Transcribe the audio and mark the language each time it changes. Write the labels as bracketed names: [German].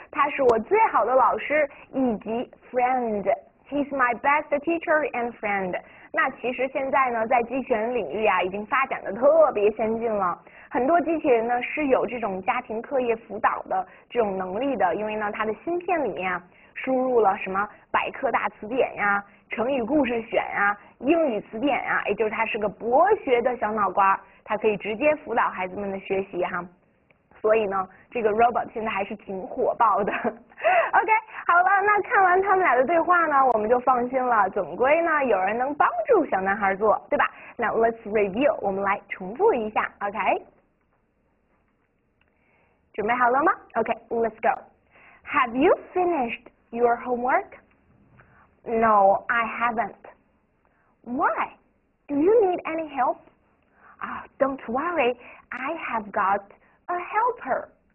[Chinese] 他是我最好的老师以及 friend. [English] He's my best teacher and friend. [Chinese] 那其实现在呢，在机器人领域啊，已经发展得特别先进了。很多机器人呢是有这种家庭课业辅导的这种能力的，因为呢，它的芯片里面啊，输入了什么百科大词典呀、成语故事选呀、英语词典呀，也就是它是个博学的小脑瓜，它可以直接辅导孩子们的学习哈。所以呢，这个 robot 现在还是挺火爆的。OK，好了，那看完他们俩的对话呢，我们就放心了，总归呢有人能帮助小男孩做，对吧？那 [English] let's review， [Chinese] 我们来重复一下，OK？准备好了吗？ [English] OK，let's go。 Have you finished your homework? No, I haven't. Why? Do you need any help? Oh, don't worry, I have got a helper.